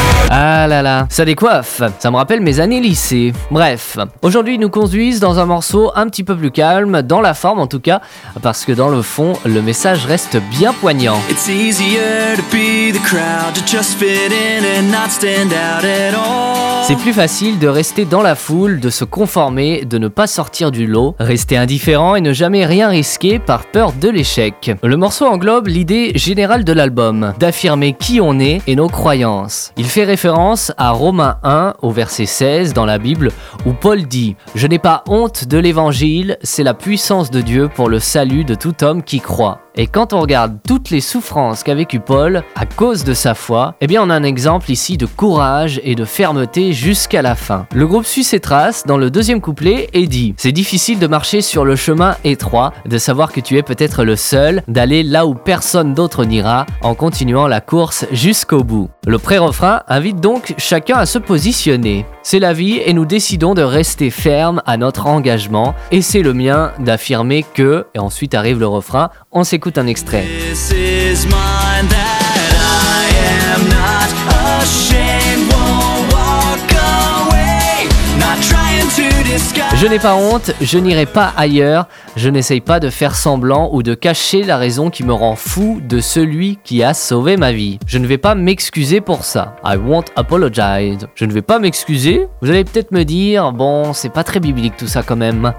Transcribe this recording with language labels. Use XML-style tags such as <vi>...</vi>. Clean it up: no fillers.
<fr>Ah là là, ça décoiffe, ça me rappelle mes années lycée. Bref, aujourd'hui ils nous conduisent dans un morceau un petit peu plus calme, dans la forme en tout cas, parce que dans le fond, le message reste bien poignant.</fr> <en>It's easier to be the crowd, to just fit in and not stand out at all.</en> <fr>C'est plus facile de rester dans la foule, de se conformer, de ne pas sortir du lot, rester indifférent et ne jamais rien risquer par peur de l'échec. Le morceau englobe l'idée générale de l'album, d'affirmer qui on est et nos croyances. Il fait référence à Romains 1 au verset 16 dans la Bible où Paul dit « Je n'ai pas honte de l'évangile, c'est la puissance de Dieu pour le salut de tout homme qui croit ». Et quand on regarde toutes les souffrances qu'a vécu Paul à cause de sa foi, eh bien on a un exemple ici de courage et de fermeté jusqu'à la fin. Le groupe suit ses traces dans le deuxième couplet et dit « C'est difficile de marcher sur le chemin étroit, de savoir que tu es peut-être le seul, d'aller là où personne d'autre n'ira, en continuant la course jusqu'au bout ». Le pré-refrain invite donc chacun à se positionner. C'est la vie et nous décidons de rester fermes à notre engagement. Et c'est le mien d'affirmer que, et ensuite arrive le refrain, on s'écoute un extrait.</fr> <en>This is mine that I am not ashamed, won't walk away, not trying to disguise.</en> <fr>Je n'ai pas honte, je n'irai pas ailleurs, je n'essaye pas de faire semblant ou de cacher la raison qui me rend fou de celui qui a sauvé ma vie. Je ne vais pas m'excuser pour ça.</fr> <en>I won't apologize.</en> <fr>Je ne vais pas m'excuser. Vous allez peut-être me dire, bon, c'est pas très biblique tout ça quand même.</fr>